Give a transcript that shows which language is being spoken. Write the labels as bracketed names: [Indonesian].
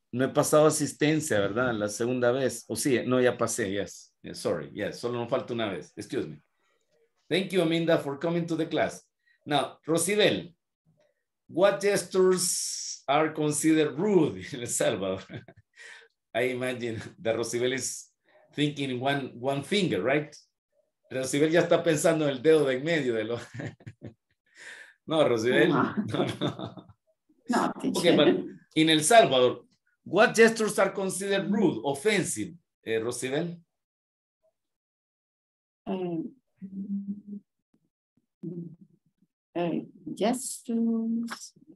[Spanish] No he pasado asistencia, ¿verdad? La segunda vez. Oh, sí. No, ya pasé. [English] Yes. Yes. Sorry. Yes. [Spanish] Solo no falta una vez. [English] Excuse me. Thank you, Minda, for coming to the class. Now, Rosibel, what gestures are considered rude in El Salvador? I imagine that Rosibel is thinking one finger, right? [Spanish] Rosibel ya está pensando en el dedo de en medio de lo. No, Rosibel. No. [English] Okay, but in El Salvador, what gestures are considered rude, offensive, Rosibel? Gestures.